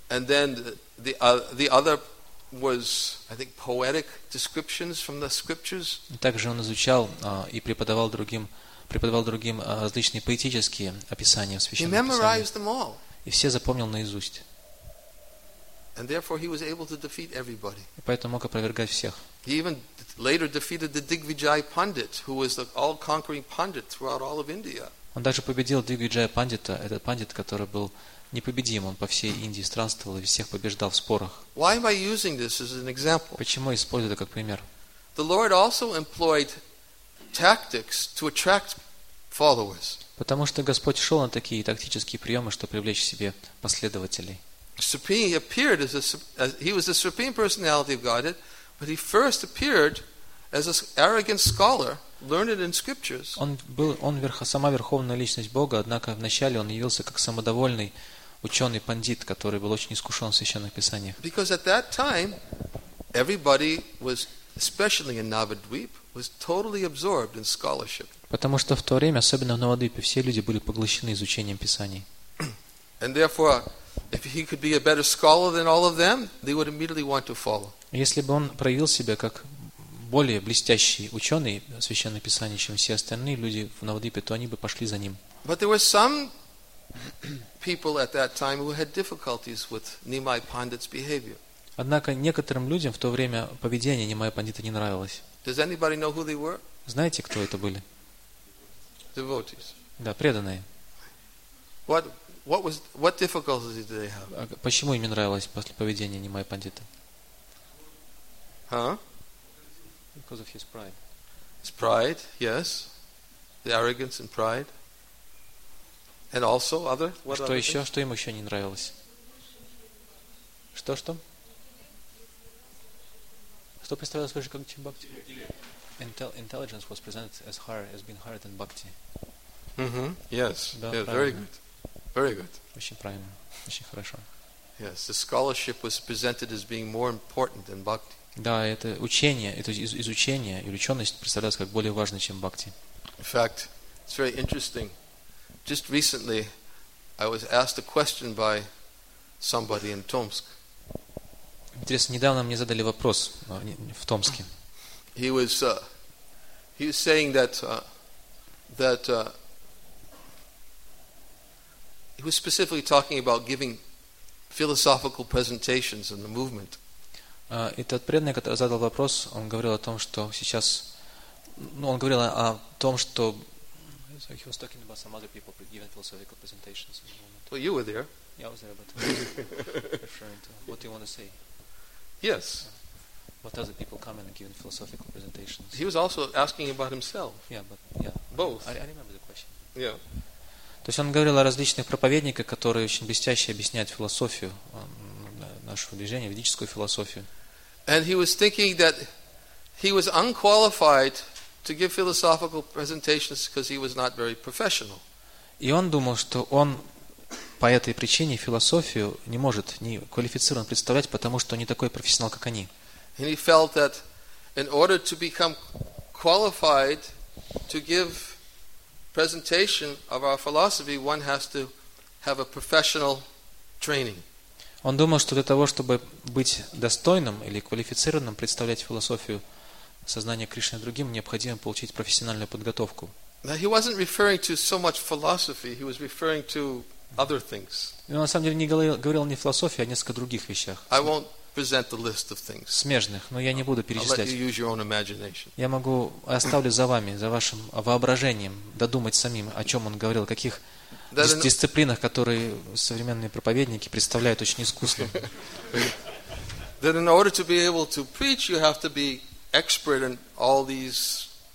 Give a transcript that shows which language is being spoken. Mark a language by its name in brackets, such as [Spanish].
[English] And then the other was, I think, poetic descriptions from the scriptures. [Russian] Также он изучал и преподавал другим различные поэтические описания в священном писании. [English] He memorized them all. [Russian] И все запомнил наизусть. [English] And therefore he was able to defeat everybody. [Russian] И поэтому мог опровергать всех. [English] He even later defeated the Digvijay Pandit, who was the all-conquering pandit throughout all of India. [Russian] Он даже победил Дигвиджая Пандита, этот пандит, который был непобедим, он по всей Индии странствовал и всех побеждал в спорах. [English] Why am I using this as an example? [Russian] Почему я использую это как пример? [English] The Lord also employed tactics to attract followers. [Russian] Потому что Господь шел на такие тактические приемы, чтобы привлечь к себе последователей. [English] Supreme, he appeared as he was the supreme personality of Godhead, but he first appeared as an arrogant scholar, learned in scriptures. [Russian] Сама верховная личность Бога, однако вначале он явился как самодовольный ученый пандит, который был очень искушен в священных писаниях. [English] Because at that time everybody was, especially in Navadvip, was totally absorbed in scholarship. [Russian] Потому что в то время, особенно в Навадвипе, все люди были поглощены изучением писаний. [English] And therefore, if he could be a better scholar than all of them, they would immediately want to follow. [Russian] Если бы он проявил себя как более блестящий ученый священных писаний, чем все остальные люди в Навадвипе, то они бы пошли за ним. [English] But there were some people at that time who had difficulties with Nimai Pandit's behavior. [Russian] Однако некоторым людям в то время поведение Нимая Пандита не нравилось. [English] Does anybody know who they were? [Russian] Знаете, кто это были? [English] Devotees. [Russian] Да, преданные. [English] What difficulties did they have? [Russian] Почему им не нравилось после поведения Нимая Пандита? Huh? [English] Because of his pride. His pride, yes. The arrogance and pride. And also other. What [Russian] что [English] other [Russian] еще? [English] Things? [Russian] Что им еще не нравилось? Что что? Что представлялось выше, как чем бхакти? [English] Intelligence was presented as higher, as being higher than bhakti. Mm-hmm. Yes. [Russian] Да, [English] yeah. Very good. Very good. [Russian] Очень правильно. Очень хорошо. [English] Yes. The scholarship was presented as being more important than bhakti. [Russian] Да, это учение, это изучение, и ученость представлялось как более важное, чем бхакти. [English] In fact, It's very interesting. Just recently, I was asked a question by somebody in Tomsk. [Russian] Интересно, недавно мне задали вопрос в Томске. [English] He was saying that he was specifically talking about giving philosophical presentations in the movement. [Russian] Этот преданный, который задал вопрос, он говорил о том, что сейчас, ну, он говорил о том, что [English] so he was talking about some other people giving philosophical presentations in the movement. Well, you were there. Yeah, I was there, but referring to what do you want to say? Yes. What other people come in and give philosophical presentations? He was also asking about himself. Yeah, but yeah. Both. I remember the question. Yeah. [Russian] То есть он говорил о различных проповедниках, которые очень блестяще объясняют философию нашего движения, ведическую философию. [English] And he was thinking that he was unqualified to give philosophical presentations because he was not very professional. [Russian] И он думал, что он по этой причине философию не может не квалифицированно представлять, потому что он не такой профессионал, как они. [English] And he felt that in order to become qualified to give presentation of our philosophy, one has to have a professional training. [Russian] Он думал, что для того, чтобы быть достойным или квалифицированным представлять философию сознания Кришны другим, необходимо получить профессиональную подготовку. [English] Now he wasn't referring to so much philosophy, he was referring to other things. [Russian] Он на самом деле не говорил не о философии, а о несколько других вещах. [English] I won't present the list of things. [Russian] Смежных, но я не буду перечислять. [English] I'll let you use your own imagination. [Russian] Я могу оставлю за вами, за вашим воображением, додумать самим, о чем он говорил, о каких дисциплинах, которые современные проповедники представляют очень искусно. [English] That in order to be able to preach, you have to be expert in all these